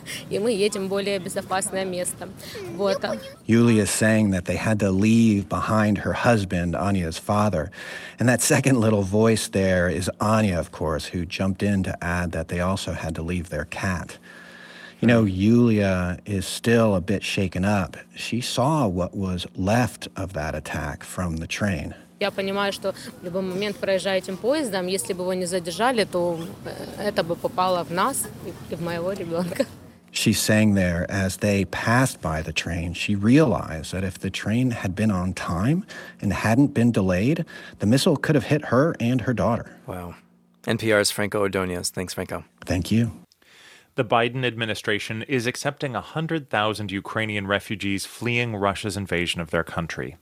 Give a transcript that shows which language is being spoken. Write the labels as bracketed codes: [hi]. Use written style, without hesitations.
[uk] І ми їдемо в більш безпечне місце. Вот. [en] Юлія saying that they had to leave behind her husband, Anya's father. And that second little voice there is Anya, of course, who jumped in to add that they also had to leave their cat. You know, Yulia is still a bit shaken up. She saw what was left of that attack from the train. [uk] Я розумію, що в будь-який момент проїжджає цим поїздом, якщо б його не задержали, то це б попало в нас і в моєго дитинка. [en] She's saying there, as they passed by the train, she realized that if the train had been on time and hadn't been delayed, the missile could have hit her and her daughter. Wow. NPR's Franco Ordonez. Thanks, Franco. Thank you. The Biden administration is accepting 100,000 Ukrainian refugees fleeing Russia's invasion of their country.